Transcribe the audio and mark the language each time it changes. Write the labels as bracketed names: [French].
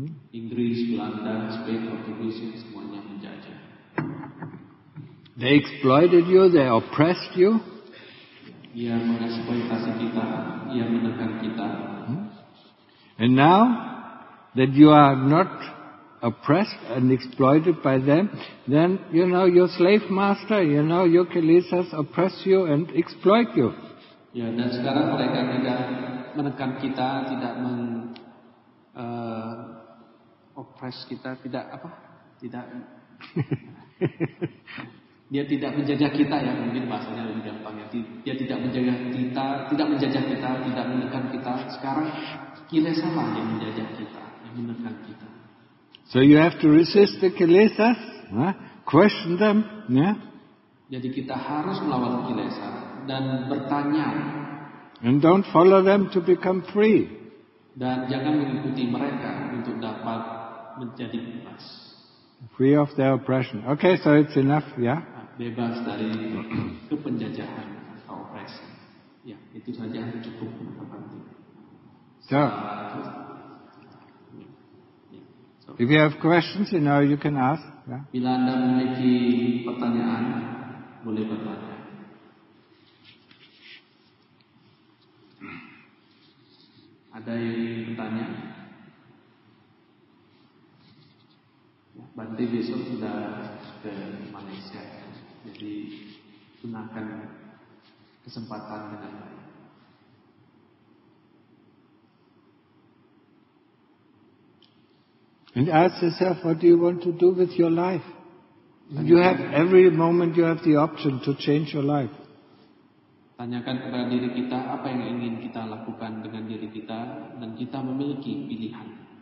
[Indonesian] Inggris, Belanda, Spain, Portugis, semuanya menjajah. [English] They exploited you, they oppressed you. [Indonesian] Ia mengeksploitasi kita, ia menekan kita. [English] And now that you are not oppressed and exploited by them, then, you know, your slave master, you know, your kilesas oppress you and exploit you. [Indonesian] Ya, dan sekarang mereka tidak menekan kita, tidak meng oppress kita, tidak apa? Tidak. Dia tidak menjajah kita, ya, mungkin bahasanya lebih gampang, ya. Dia tidak menjajah kita, tidak menjajah kita, tidak menekan kita. Sekarang kilesalah yang menjajah kita, yang menekan kita. [English] So you have to resist the kilesas, huh? Question them, yeah. [Indonesian] Jadi kita harus melawan kilesa dan bertanya. [English] And don't follow them to become free. [Indonesian] Dan jangan mengikuti mereka untuk dapat menjadi bebas. [English] Free of their oppression. Okay, so it's enough, yeah. [Indonesian] Bebas dari kepenjajahan atau opresi. Ya, itu saja yang cukup penting. [English] So. If you have questions, you know, you can ask. Yeah. [Indonesian] Bila Anda memiliki pertanyaan, boleh bertanya. Ada yang ingin bertanya? Bante besok sudah ke Malaysia, jadi gunakan kesempatan dengan baik. [English] And ask yourself, what do you want to do with your life? And you have every moment, you have the option to change your life. [Indonesian] Tanyakan kepada diri kita apa yang ingin kita lakukan dengan diri kita, dan kita memiliki pilihan.